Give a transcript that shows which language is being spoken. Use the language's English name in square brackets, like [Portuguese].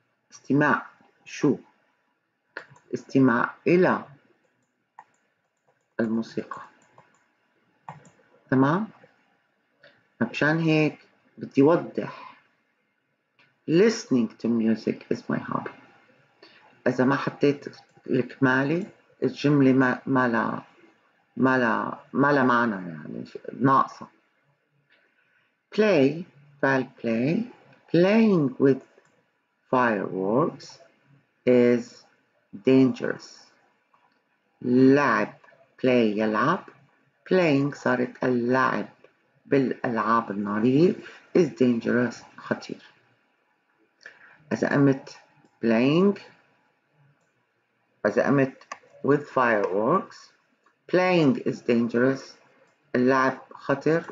[Arabic] استماع شو؟ استماع إلى الموسيقى، تمام؟ عشان هيك بدي أوضح [English] listening to music is my hobby. [Arabic] إذا ما حطيت الكمالة الجملة ما لا معنى، يعني ناقصة. [English] play، فعل play، playing with fireworks is dangerous. [Arabic] لعب play يلعب، playing صارت اللعب بالألعاب النارية، [English] is dangerous [Arabic] خطير. إذا قمت playing، إذا قمت with fireworks، [English] playing is dangerous، [Arabic] اللعب خطر.